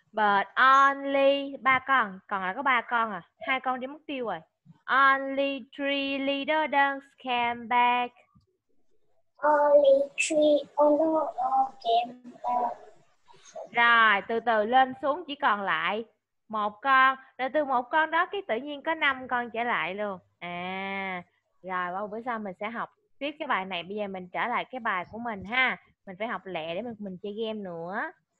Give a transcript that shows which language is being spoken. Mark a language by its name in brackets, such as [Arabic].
[English] But only [Vietnamese] ba con, còn lại có ba con à? Hai con đi mất tiêu rồi. [English] Only three little ducks came back. Only three little came back. [Vietnamese] Rồi từ từ lên xuống chỉ còn lại một con. Rồi từ một con đó cái tự nhiên có năm con trở lại luôn. À, rồi bao bữa sau mình sẽ học tiếp cái bài này. Bây giờ mình trở lại cái bài của mình ha. Mình phải học lẹ để mình chơi game nữa.